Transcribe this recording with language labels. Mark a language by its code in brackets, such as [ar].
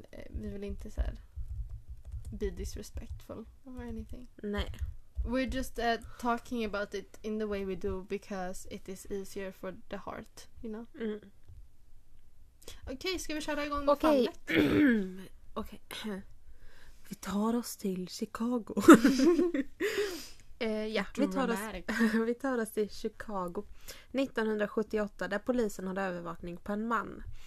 [sv] Vi vill inte så här [en] be disrespectful or anything. [sv] Nej. [en] We're just talking about it in the way we do because it is easier for the heart, you know? Mm. [sv] Okej, okay, ska vi köra igång med okay. fallet? Okej. Okej. Vi tar oss till Chicago. ja, vi tar oss till Chicago. 1978, där polisen hade övervakning på en man.